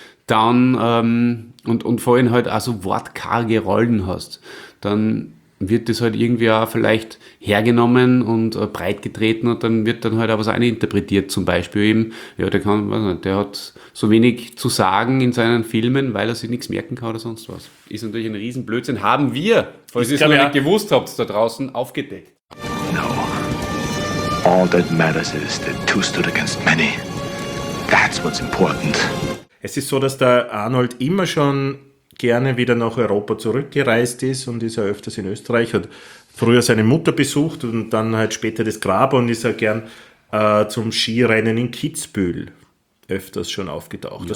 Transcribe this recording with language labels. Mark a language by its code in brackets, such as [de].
[de] dann und vorhin halt also wortkarge Rollen hast, dann wird das halt irgendwie auch vielleicht hergenommen und breit getreten und dann wird dann halt auch was eininterpretiert, zum Beispiel eben, ja, der kann, weiß nicht, der hat so wenig zu sagen in seinen Filmen, weil er sich nichts merken kann oder sonst was. Ist natürlich ein Riesenblödsinn. Haben wir, falls ihr es noch nicht gewusst habt, da draußen aufgedeckt. [en] No. All that matters is that two stood against many. That's what's important. [de] Es ist so, dass der Arnold immer schon gerne wieder nach Europa zurückgereist ist und ist ja öfters in Österreich, hat früher seine Mutter besucht und dann halt später das Grab und ist ja gern zum Skirennen in Kitzbühel öfters schon aufgetaucht.